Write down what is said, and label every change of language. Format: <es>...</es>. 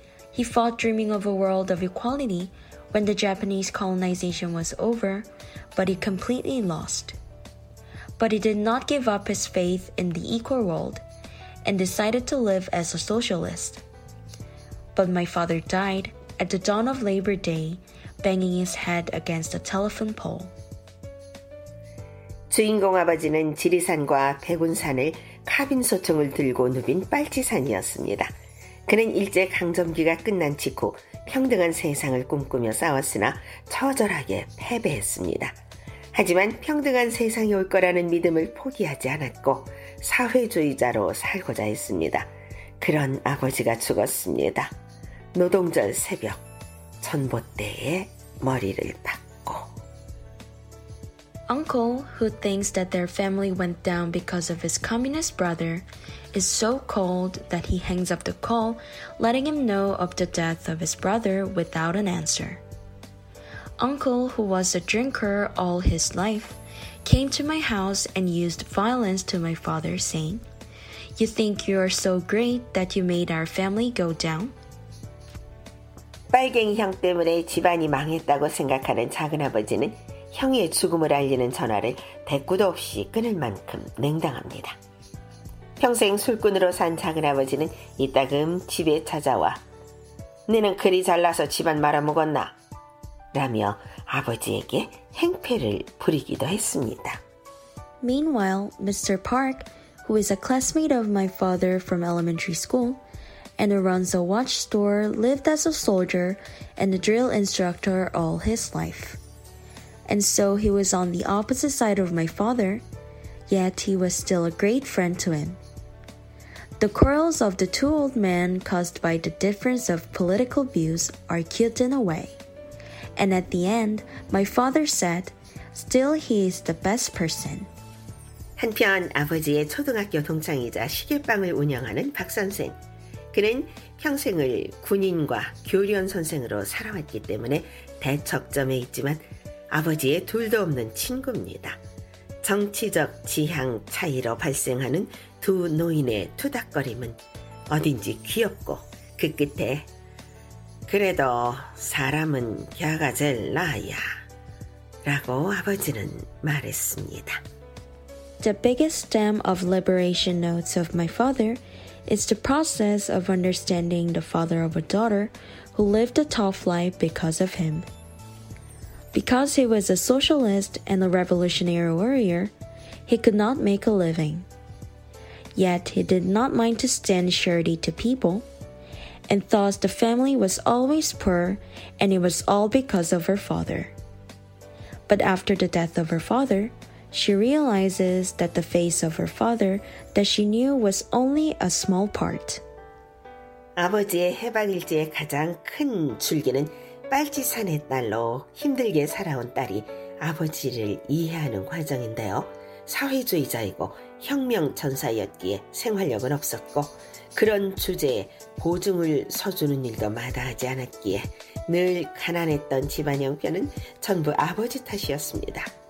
<en>He fought dreaming of a world of equality when the Japanese colonization was over, but he completely lost. But he did not give up his faith in the equal world and decided to live as a socialist. But my father died at the dawn of Labor Day, banging his head against a telephone pole.</en> <ko>주인공 아버지는 지리산과 백운산을 카빈 소총을 들고 누빈 빨치산이었습니다. 그는 일제 강점기가 끝난 직후 평등한 세상을 꿈꾸며 싸웠으나 처절하게 패배했습니다. 하지만 평등한 세상이 올 거라는 믿음을 포기하지 않았고 사회주의자로 살고자 했습니다. 그런 아버지가 죽었습니다. 노동절 새벽, 전봇대에 머리를 박고.</ko> <en>Uncle, who thinks that their family went down because of his communist brother, is so cold that he hangs up the call, letting him know of the death of his brother without an answer. Uncle, who was a drinker all his life, came to my house and used violence to my father, saying, "You think you are so great that you made our family go down?"</en> <ko>빨갱이 형 때문에 집안이 망했다고 생각하는 작은아버지는 형의 죽음을 알리는 전화를 대꾸도 없이 끊을 만큼 냉담합니다. 평생 술꾼으로 산 작은아버지는 이따금 집에 찾아와 "너는 그리 잘나서 집안 말아먹었나?" 라며 아버지에게 행패를 부리기도 했습니다.</ko> <en>Meanwhile, Mr. Park, who is a classmate of my father from elementary school and runs a watch store, lived as a soldier and a drill instructor all his life. And so he was on the opposite side of my father, yet he was still a great friend to him. The quarrels of the two old men caused by the difference of political views are cute in a way. And at the end, my father said, "Still he is the best person."</en> <ko>한편 아버지의 초등학교 동창이자 시계빵을 운영하는 박 선생. 그는 평생을 군인과 교련 선생으로 살아왔기 때문에 대척점에 있지만 아버지의 둘도 없는 친구입니다. 정치적 지향 차이로 발생하는 두 노인의 투닥거림은 어딘지 귀엽고 그 끝에 "그래도 사람은 걔가 제일 나아야 라고 아버지는 말했습니다.</ko> <en>The biggest stem of liberation notes of my father is the process of understanding the father of a daughter who lived a tough life because of him. Because he was a socialist and a revolutionary warrior, he could not make a living. Yet he did not mind to stand surety to people, and thus the family was always poor, and it was all because of her father. But after the death of her father, she realizes that the face of her father that she knew was only a small part."</en> <ko>아버지의 해방일지의 가장 큰 줄기는 빨치산의 딸로 힘들게 살아온 딸이 아버지를 이해하는 과정인데요. 사회주의자이고 혁명전사였기에 생활력은 없었고 그런 주제에 보증을 서주는 일도 마다하지 않았기에 늘 가난했던 집안 형편은 전부 아버지 탓이었습니다.</ko>